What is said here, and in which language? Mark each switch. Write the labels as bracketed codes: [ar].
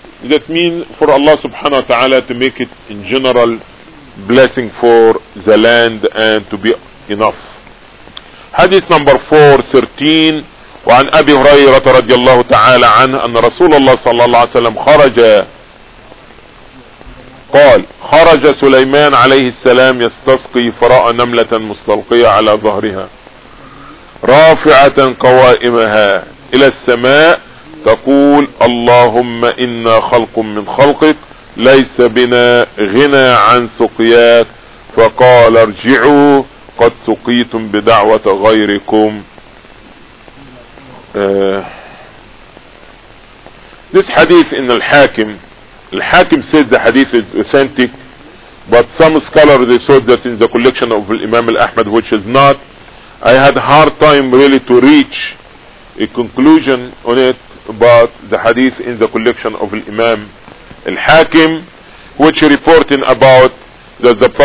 [en] That means for Allah subhanahu wa ta'ala to make it in general blessing for the land and to be enough. Hadith number 413 [ar] وعن أبي هريرة رضي الله تعالى عنه أن رسول الله صلى الله عليه وسلم خرج قال خرج سليمان عليه السلام يستسقي فرأى نملة مستلقية على ظهرها رافعة قوائمها إلى السماء تقول اللهم إنا خلق من خلقك ليس بنا غنى عن سقيات فقال ارجعوا قد سقيتم بدعوة غيركم. [en] This hadith in Al-Hakim says the hadith is authentic, but some scholars they said that in the collection of Imam Al-Ahmad, which is not, I had hard time really to reach a conclusion on it, but the hadith in the collection of Imam Al-Hakim, which reporting about that